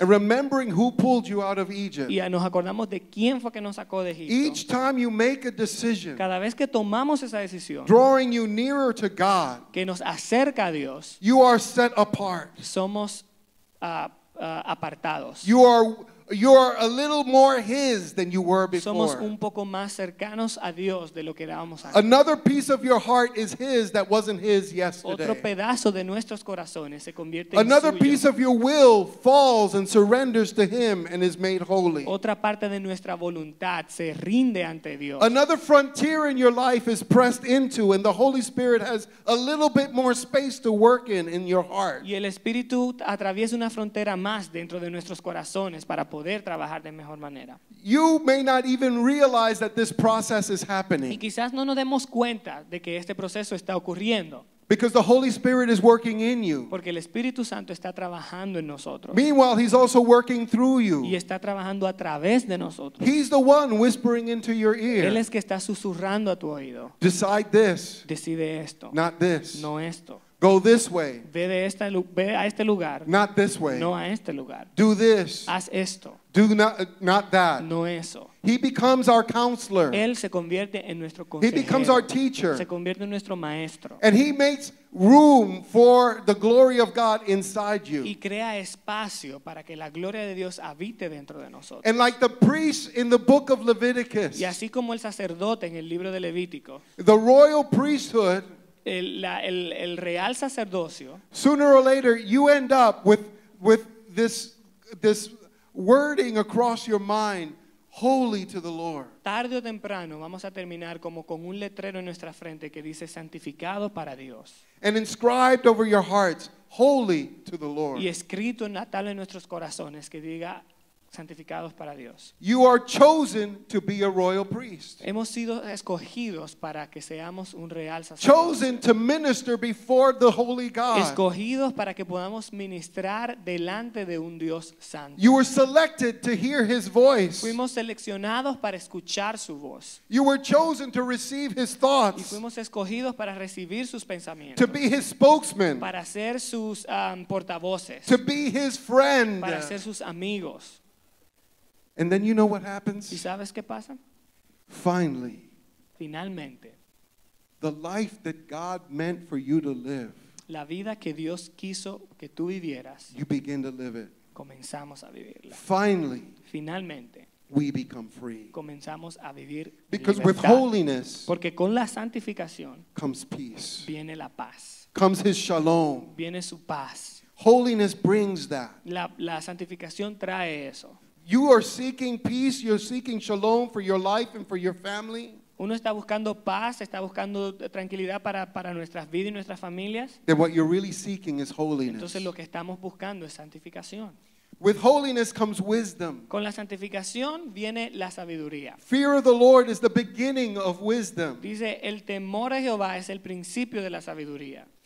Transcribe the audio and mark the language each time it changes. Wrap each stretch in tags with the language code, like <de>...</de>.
<en>and remembering who pulled you out of Egypt,</en> <es>y nos acordamos de quién fue que nos sacó de Egipto.</es> <en>Each time you make a decision,</en> <es>cada vez que tomamos esa decisión,</es> <en>drawing you nearer to God,</en> <es>que nos acerca a Dios,</es> <en>you are set apart.</en> <es>Somos apartados.</es> <en>You are You're a little more His than you were before.</en> <es>Somos un poco más cercanos a Dios de lo que éramos antes.</es> <en>Another piece of your heart is His that wasn't His yesterday.</en> <es>Otro pedazo de nuestros corazones se convierte en</es> <en>Another piece of your will falls and surrenders to Him and is made holy.</en> <es>Otra parte de nuestra voluntad se rinde ante Dios.</es> <en>Another frontier in your life is pressed into, and the Holy Spirit has a little bit more space to work in your heart.</en> <es>Y el Espíritu atraviesa una frontera más dentro de nuestros corazones para poder trabajar de mejor manera.</es> <en>You may not even realize that this process is happening.</en> <es>Y quizás no nos demos cuenta de que este proceso está ocurriendo.</es> <en>Because the Holy Spirit is working in you.</en> <es>Porque el Espíritu Santo está trabajando en nosotros.</es> <en>Meanwhile, He's also working through you.</en> <es>Y está trabajando a través de nosotros.</es> <en>He's the one whispering into your ear.</en> <es>Él es que está susurrando a tu oído.</es> <en>Decide this.</en> <es>Decide esto.</es> <en>Not this.</en> <es>No esto.</es> <en>Go this way.</en> <es>Ve de esta, ve a este lugar.</es> <en>Not this way.</en> <es>No a este lugar.</es> <en>Do this.</en> <es>Haz esto.</es> <en>Do not that.</en> <es>No eso.</es> <en>He becomes our counselor.</en> <es>Él se convierte en nuestro consejero.</es> <en>He becomes our teacher.</en> <es>Se convierte en nuestro maestro.</es> <en>And He makes room for the glory of God inside you.</en> <es>Y crea espacio para que la gloria de Dios habite dentro de nosotros.</es> <en>And like the priest in the book of Leviticus.</en> <es>Y así como el sacerdote en el libro de Levítico.</es> <en>The royal priesthood.</en> <es>El real sacerdocio.</es> <en>Sooner or later, you end up with this wording across your mind, holy to the Lord.</en> <es>Tarde o temprano, vamos a terminar como con un letrero en nuestra frente que dice santificado para Dios.</es> <en>And inscribed over your hearts, holy to the Lord.</en> <es>Y escrito en tal en nuestros corazones que diga santificados para Dios.</es> <en>You are chosen to be a royal priest.</en> <es>Hemos sido escogidos para que seamos un real sacerdote.</es> <en>Chosen to minister before the holy God.</en> <es>Escogidos para que podamos ministrar delante de un Dios santo.</es> <en>You were selected to hear His voice.</en> <es>Fuimos seleccionados para escuchar su voz.</es> <en>You were chosen to receive His thoughts.</en> <es>Y fuimos escogidos para recibir sus pensamientos.</es> <en>To be His spokesman.</en> <es>Para ser sus portavoces.</es> <en>To be His friend.</en> <es>Para ser sus amigos.</es> <en>And then you know what happens?</en> <es>¿Y sabes qué pasa?</es> <en>Finally.</en> <es>Finalmente.</es> <en>The life that God meant for you to live.</en> <es>La vida que Dios quiso que tú vivieras.</es> <en>You begin to live it.</en> <es>Comenzamos a vivirla.</es> <en>Finally.</en> <es>Finalmente.</es> <en>We become free.</en> <es>Comenzamos a vivir libertad.</es> <en>Because with holiness.</en> <es>Porque con la santificación.</es> <en>Comes peace.</en> <es>Viene la paz.</es> <en>Comes His shalom.</en> <es>Viene su paz.</es> <en>Holiness brings that.</en> <es>La santificación trae eso.</es> <en>You are seeking peace, you're seeking shalom for your life and for your family.</en> <es>Uno está buscando paz, está buscando tranquilidad para nuestras vidas y nuestras familias.</es> <en>Then what you're really seeking is holiness.</en> <es>Entonces lo que estamos buscando es santificación.</es> <en>With holiness comes wisdom.</en> <es>Con la santificación viene la sabiduría.</es> <en>Fear of the Lord is the beginning of wisdom.</en> <es>Dice, el temor a Jehová es el principio de la sabiduría.</es>